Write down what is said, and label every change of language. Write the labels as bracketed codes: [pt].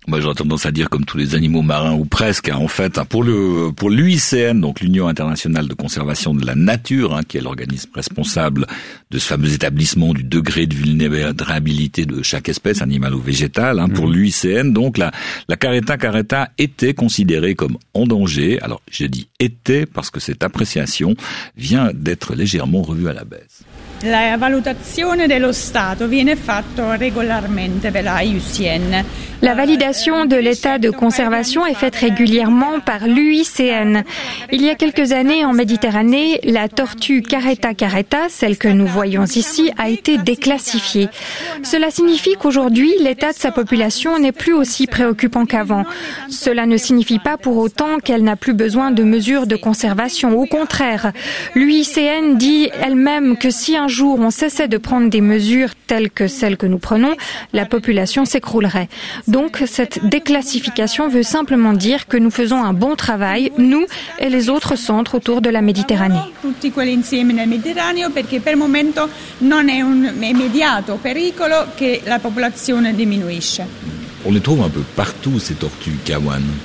[fr] Moi, j'ai tendance à dire comme tous les animaux marins, ou presque, en fait, pour l'UICN, donc l'Union Internationale de Conservation de la Nature, qui est l'organisme responsable de ce fameux établissement du degré de vulnérabilité de chaque espèce, animale ou végétale, pour l'UICN, donc la careta était considérée comme en danger. Alors, je dis était parce que cette appréciation vient d'être légèrement revu à la baisse. [it] La valutazione dello Stato viene fatto regolarmente per la IUCN. [fr] La validation de l'état de conservation est faite régulièrement par l'UICN. Il y a quelques années en Méditerranée, la tortue careta, celle que nous voyons ici, a été déclassifiée. Cela signifie qu'aujourd'hui, l'état de sa population n'est plus aussi préoccupant qu'avant. Cela ne signifie pas pour autant qu'elle n'a plus besoin de mesures de conservation. Au contraire, l'UICN dit elle-même que si un jour on cessait de prendre des mesures telles que celles que nous prenons, la population s'écroulerait. Donc, cette déclassification veut simplement dire que nous faisons un bon travail, nous et les autres centres autour de la Méditerranée. [it] Tutti quelli insieme nel Mediterraneo, perché per il momento non è un immediato pericolo che la popolazione diminuisce. [fr] On les trouve un peu partout, ces tortues kawan.